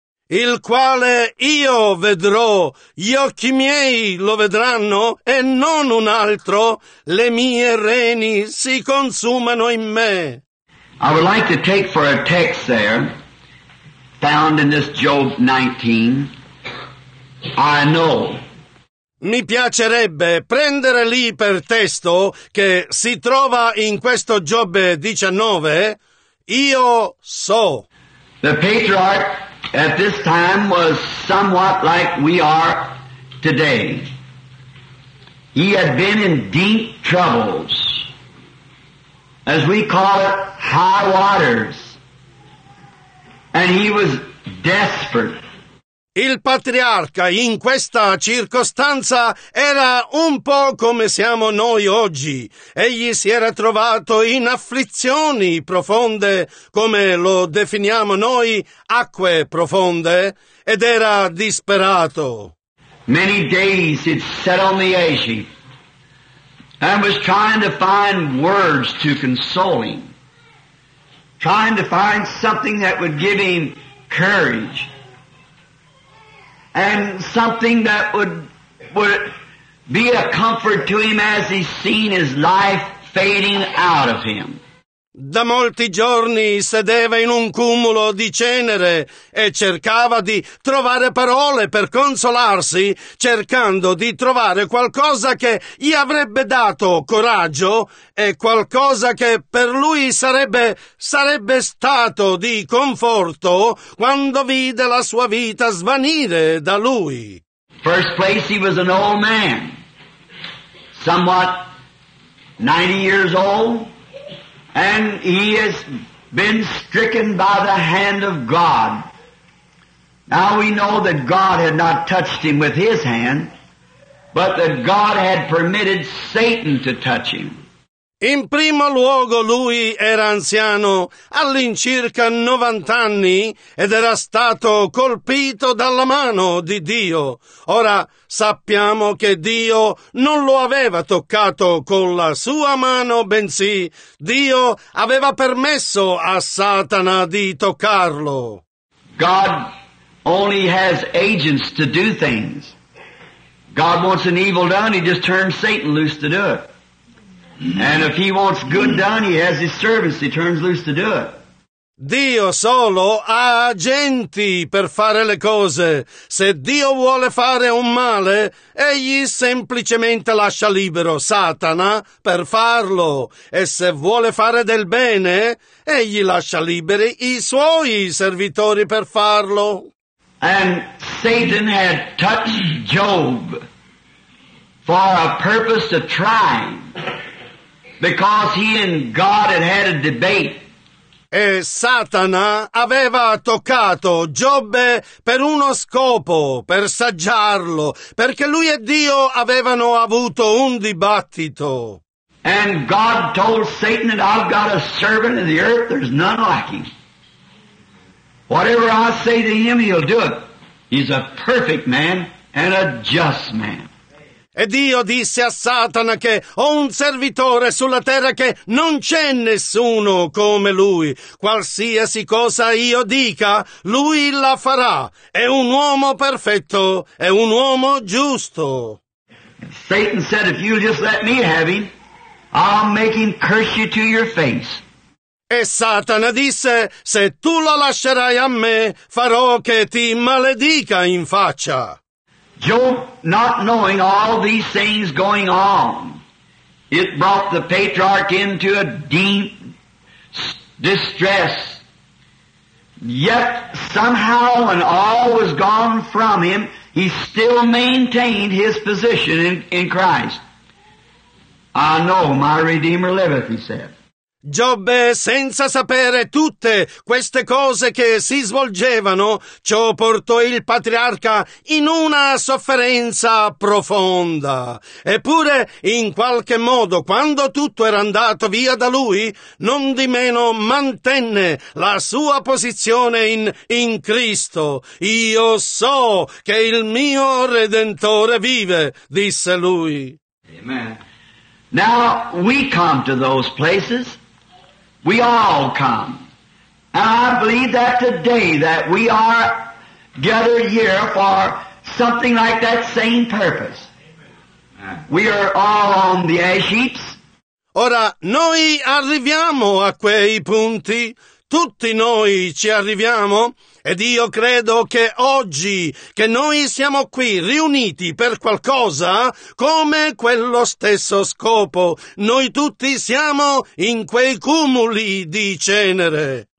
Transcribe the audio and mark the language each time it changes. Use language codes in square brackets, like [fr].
[it] Il quale io vedrò, gli occhi miei lo vedranno, e non un altro, le mie reni si consumano in me. [en] I would like to take for a text there, found in this Job 19, I know. [it] Mi piacerebbe prendere lì per testo, che si trova in questo Giobbe 19, io so. [en] The patriarch at this time was somewhat like we are today. He had been in deep troubles, as we call it, high waters, and he was desperate. [it] Il patriarca in questa circostanza era un po' come siamo noi oggi. Egli si era trovato in afflizioni profonde, come lo definiamo noi, acque profonde, ed era disperato. [en] Many days he'd sat on the edge and was trying to find words to console him, trying to find something that would give him courage. And something that would be a comfort to him as he's seen his life fading out of him. [it] Da molti giorni sedeva in un cumulo di cenere e cercava di trovare parole per consolarsi, cercando di trovare qualcosa che gli avrebbe dato coraggio e qualcosa che per lui sarebbe stato di conforto, quando vide la sua vita svanire da lui. [en] First place, he was an old man, somewhat 90 years old. And he has been stricken by the hand of God. Now we know that God had not touched him with his hand, but that God had permitted Satan to touch him. [it] In primo luogo lui era anziano, all'incirca 90 anni, ed era stato colpito dalla mano di Dio. Ora sappiamo che Dio non lo aveva toccato con la sua mano, bensì Dio aveva permesso a Satana di toccarlo. [en] God only has agents to do things. God wants an evil done, he just turns Satan loose to do it. And if he wants good done, he has his servants, he turns loose to do it. [it] Dio solo ha agenti per fare le cose. Se Dio vuole fare un male, egli semplicemente lascia libero Satana per farlo. E se vuole fare del bene, egli lascia liberi i suoi servitori per farlo. [en] And Satan had touched Job for a purpose to try him. Because he and God had had a debate. [it] E Satana aveva toccato Giobbe per uno scopo, per saggiarlo, perché lui e Dio avevano avuto un dibattito. [en] And God told Satan that I've got a servant in the earth, there's none like him. Whatever I say to him, he'll do it. He's a perfect man and a just man. [it] E Dio disse a Satana che ho un servitore sulla terra che non c'è nessuno come lui. Qualsiasi cosa io dica, lui la farà. È un uomo perfetto, è un uomo giusto. [en] Satan said, if you just let me have him, I'll make him curse you to your face. [it] E Satana disse, se tu la lascerai a me, farò che ti maledica in faccia. [en] Job, not knowing all these things going on, it brought the patriarch into a deep distress. Yet, somehow, when all was gone from him, he still maintained his position in Christ. I know my Redeemer liveth, he said. [it] Giobbe, senza sapere tutte queste cose che si svolgevano, ciò portò il patriarca in una sofferenza profonda. Eppure, in qualche modo, quando tutto era andato via da lui, non di meno mantenne la sua posizione in Cristo. «Io so che il mio Redentore vive», disse lui. [en] Amen. Now, we come to those places. We all come. And I believe that today that we are gathered here for something like that same purpose. We are all on the ash heaps. [it] Ora, noi arriviamo a quei punti. Tutti noi ci arriviamo. Ed io credo che oggi, che noi siamo qui riuniti per qualcosa, come quello stesso scopo, noi tutti siamo in quei cumuli di cenere.